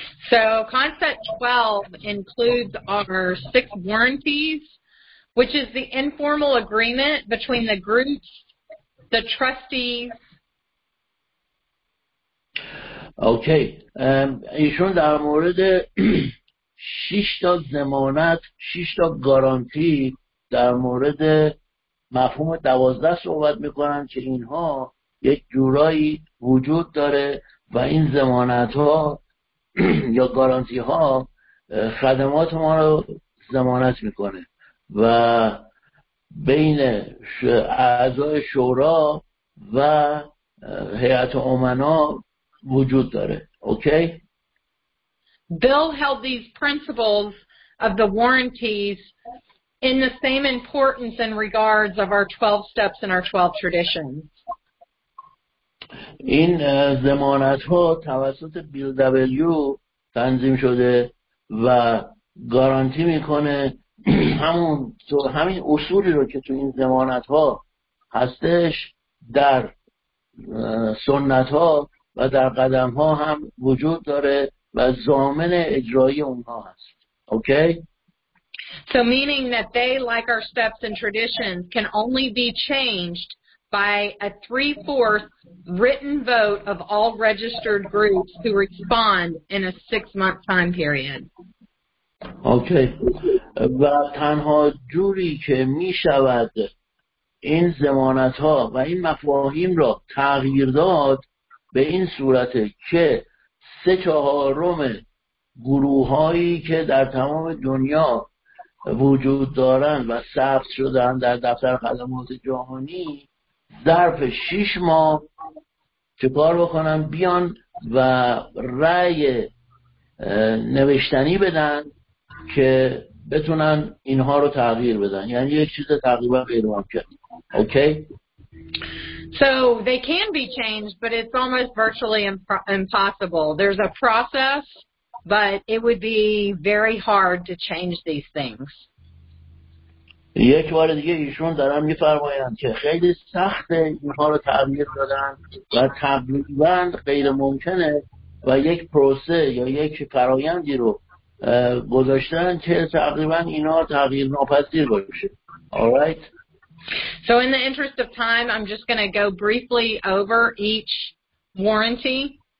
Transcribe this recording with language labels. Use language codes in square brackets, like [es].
[en] So concept 12 includes our 6 warranties, which is the informal agreement between the groups, the trustees. [fa] اوکی. ایشون در مورد 6 تا ضمانت، 6 تا گارانتی در مورد مفهوم 12 صحبت میکنن که اینها یک جورایی وجود داره و این ضمانت ها یا گارانتی ها خدمات ما رو ضمانت میکنه و بین اعضای شورا و هیئت امنا وجود داره. اوکی؟ [en] Bill held these principles of the warranties in the same importance and regards of our 12 steps and our 12 traditions. [fa] این ضمانت ها توسط بیل دبلیو تنظیم شده و گارانتی میکنه همون تو همین اصولی رو که تو این ضمانت ها هستش در سنت ها و در قدم ها هم وجود داره و ضامن اجرایی اونها هست. اوکی؟ [en] So meaning that they, like our steps and traditions, can only be changed by a 3/4 written vote of all registered groups who respond in a 6-month time period. Okay. [fa] و تنها جوری که می شود این ضمانت ها و این مفاهیم را تغییر داد به این صورت که 3/4 گروه هایی که در تمام دنیا وجود دارند و ثبت شدند در دفتر خدمات جهانی ظرف 6 ماه چکار بکنن بیان و رأی نوشتنی بدن که بتونن اینها رو تغییر بدن، یعنی یه چیز تقریبا غیر ممکن. اوکی؟ [en] So they can be changed, but it's almost virtually impossible. There's a process, but it would be very hard to change these things. [fa] یک بار دیگه ایشون دارن میفرمایند که خیلی سخته اینها رو تغییر دادن و تقریبا غیر ممکنه و یک پروسه یا یک فرایندی رو گذاشتن که تقریبا اینها تغییر ناپذیر باشه. [en] All right. So in the interest of time, I'm just going to go briefly over each warranty.